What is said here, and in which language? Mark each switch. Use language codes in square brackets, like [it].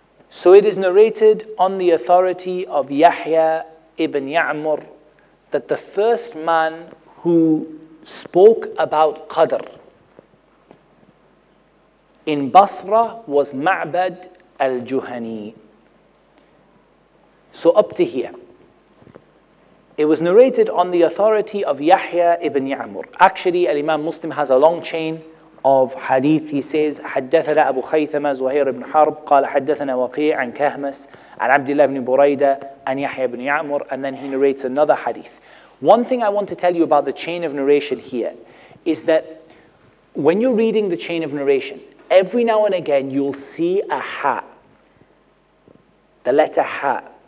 [en] So it is narrated on the authority of Yahya ibn Ya'mur that the first man who spoke about Qadr in Basra was Ma'bad al-Juhani. So up to here. It was narrated on the authority of Yahya ibn Ya'mur. Actually, Imam Muslim has a long chain of hadith, he says, [ar] حَدَّثَنَا أَبُو خَيْثَمَا زُهَيْرَ بْنُ حَرْبُ قَالَ حَدَّثَنَا وَقِيعَ عَنْ كَهْمَسَ عَنْ عَبْدِ اللَّهِ بْنِ بُرَيْدَةَ عَنْ يَحْيَى بْنِ يَعْمُرَ. [en] And then he narrates another hadith. One thing I want to tell you about the chain of narration here is that when you're reading the chain of narration, every now and again you'll see a ha, the letter ha.